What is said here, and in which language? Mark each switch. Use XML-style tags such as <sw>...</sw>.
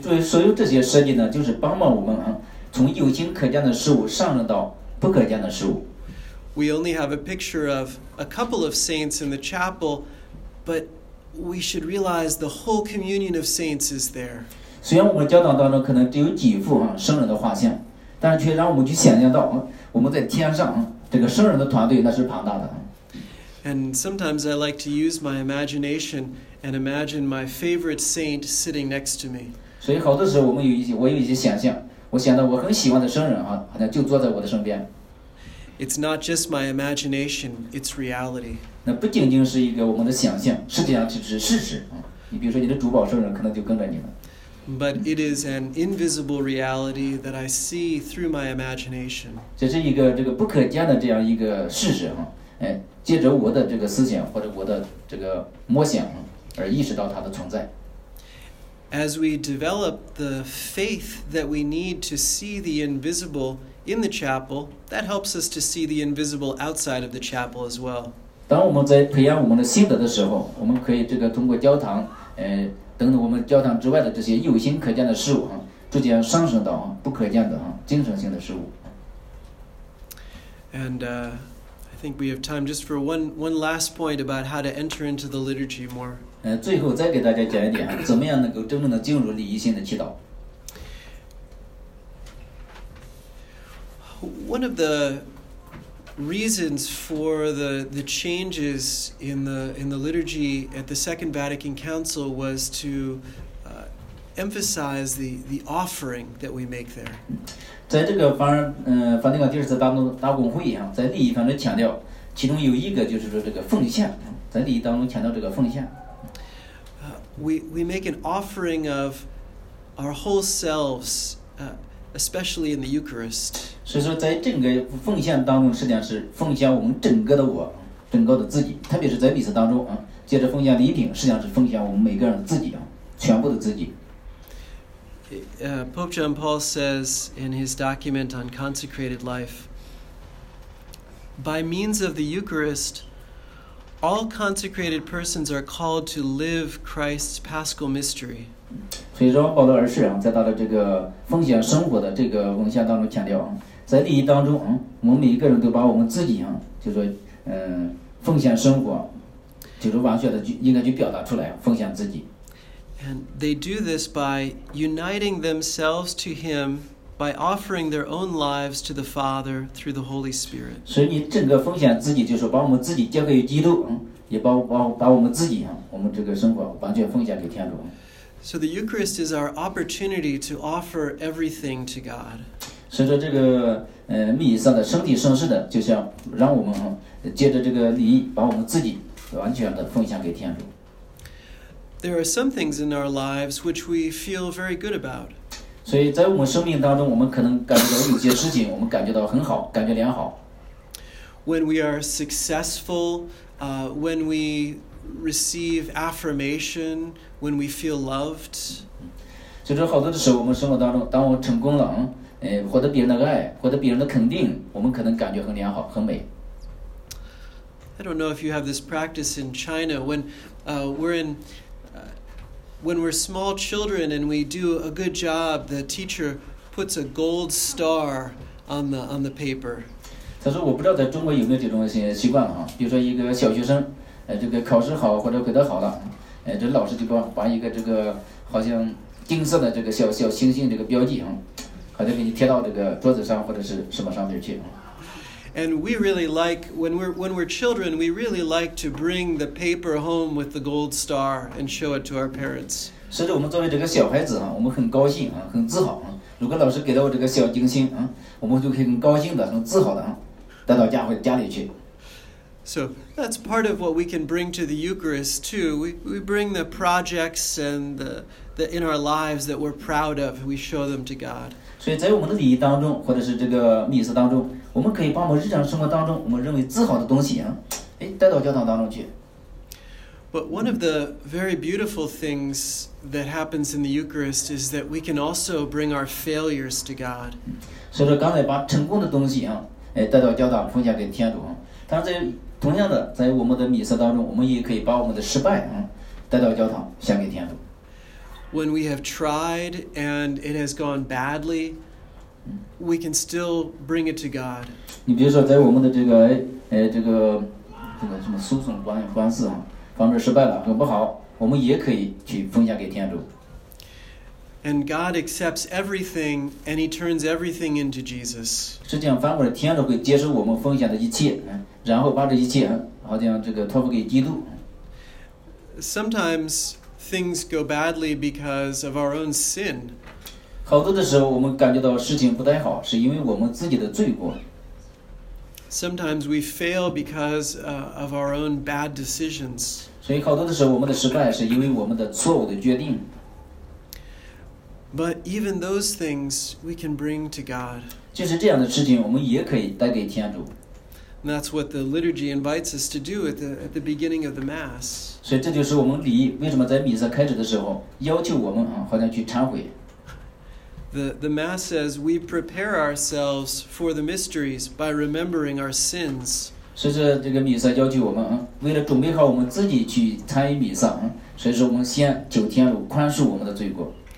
<zh>所以所有这些设计呢，就是帮忙我们啊，从有形可见的事物上升到不可见的事物。</zh> <en>We only have a picture of a couple of saints in the chapel, but we should realize the whole communion of saints is there.</en> <zh>虽然我们教堂当中可能只有几幅圣人的画像，但是却让我们去想象到。我们在天上，这个圣人的团队那是庞大的。</zh> <en>And sometimes I like to use my imagination and imagine my favorite saint sitting next to me.</en> <zh>所以好多时候我有一些想象，我想到我很喜欢的圣人啊，好像就坐在我的身边。</zh> <en>It's not just my imagination; it's reality.</en> <zh>那不仅仅是一个我们的想象，实际上就是事实啊。你比如说，你的主保圣人可能就跟着你了。</zh> <en>But it is an invisible reality that I see through my imagination.</en> <zh>这是一个这个不可见的这样一个事实哈，借着我的这个思想或者我的这个默想而意识到它的存在。</zh> <en>As we develop the faith that we need to see the invisible in the chapel, that helps us to see the invisible outside of the chapel as well.</en> <zh>当我们在培养我们的心德的时候，我们可以这个通过教堂，等等，我们教堂之外的这些有形可见的事物，逐渐上升到不可见的精神性的事物。</zh> <en>And I think we have time just for one last point about how to enter into the liturgy more.</en> <zh>最后再给大家讲一点，怎么样能够真正的进入礼仪性的祈祷。</zh> <en>One of the reasons for the changes in the liturgy at the Second Vatican Council was to emphasize the offering that we make there.</en> <zh>在这个梵蒂冈第二次大公会啊，在礼仪当中强调，其中有一个就是说这个奉献，在礼仪当中强调这个奉献。</zh> <en>We make an offering of our whole selves, especially in the Eucharist.</en> <zh>所以说，在整个奉献当中，实际上是奉献我们整个的我，整个的自己，特别是在弥撒当中啊，借着奉献礼品，实际上是奉献我们每个人的自己啊，全部的自己。</zh> <en>Pope John Paul says in his document on consecrated life, by means of the Eucharist, all consecrated persons are called to live Christ's Paschal mystery.</en> <zh>所以说保罗二世啊，在他的这个奉献生活的这个文献当中强调啊，在礼仪当中啊，我们每一个人都把我们自己啊，就说奉献生活，就是完全的应该去表达出来，奉献自己。</zh> <en>And they do this by uniting themselves to Him by offering their own lives to the Father through the Holy Spirit.</en> <zh>所以你整个奉献自己，就是把我们自己交给基督，也把我们自己啊，我们这个生活完全奉献给天主。</zh> <en>So the Eucharist is our opportunity to offer everything to God.</en> <zh>随着这个弥撒的圣体圣事的，就像让我们借着这个礼仪，把我们自己完全的奉献给天主。</zh> <en>There are some things in our lives which we feel very good about.</en> <zh>所以在我们生命当中，我们可能感觉到有些事情，我们感觉到很好，感觉良好。</zh> <en>When we are successful, when we receive affirmation, when we feel loved.</en> <zh>所以说，好多的时候，我们生活当中，当我成功了，获得别人的爱，获得别人的肯定，我们可能感觉很良好，很美。</zh> <en>I don't know if you have this practice in China when we're small children and we do a good job, the teacher puts a gold star on the paper.</en> <zh>他说我不知道在中国有没有这种习惯啊，比如说一个小学生，这个考试好或者考得好了，这老师就把一个这个好像金色的这个小星星这个标记啊，好像给你贴到这个桌子上或者是什么上面去。</zh> <en>And we really like, when we're children, we really like to bring the paper home with the gold star and show it to our parents.</en> <zh>甚至我们作为这个小孩子啊，我们很高兴啊，很自豪啊。如果老师给到我这个小金星啊，我们就可以很高兴的、很自豪的啊，带到家里去。</zh> <en>So that's part of what we can bring to the Eucharist too. We bring the projects and the in our lives that we're proud of. We show them to God.</en> <zh>所以在我们的礼仪当中，或者是这个弥撒当中，我们可以把我们日常生活当中我们认为自豪的东西啊，带到教堂当中去。</zh> <en>But one of the very beautiful things that happens in the Eucharist is that we can also bring our failures to God.</en> <zh>所以说刚才把成功的东西啊，带到教堂奉献给天主。但是同样的，在我们的弥撒当中，我们也可以把我们的失败啊，带到教堂献给天主。</zh> <en>When we have tried and it has gone badly, we can still bring it to God.</en> <zh>你比如说，在我们的这个什么诉讼官司啊方面失败了，很不好，我们也可以去奉献给天主。</zh> <en>And God accepts everything, and He turns everything into Jesus.</en> <zh>实际上，反过来，天主会接受我们奉献的一切，然后把这一切好像这个托付给基督。</zh> <en>Sometimes things go badly because of our own sin.</en> <zh>好多的时候，我们感觉到事情不太好，是因为我们自己的罪过。</zh> <en>Sometimes we fail because of our own bad decisions.</en> <zh>所以，好多的时候，我们的失败是因为我们的错误的决定。</zh> <en>But even those things we can bring to God.</en> <zh>就是这样的事情，我们也可以带给天主。</zh> <en>And that's what the liturgy invites us to do at the beginning of the Mass.</en> <zh>所以这就是我们礼仪为什么在弥撒开始的时候要求我们啊，好像去忏悔。</zh> <en>The Mass says we prepare ourselves for the mysteries by remembering our sins.</en> <zh>所以说这个弥撒要求我们啊，为了准备好我们自己去参与弥撒啊，所以说我们先求天主宽恕我们的罪过。</zh>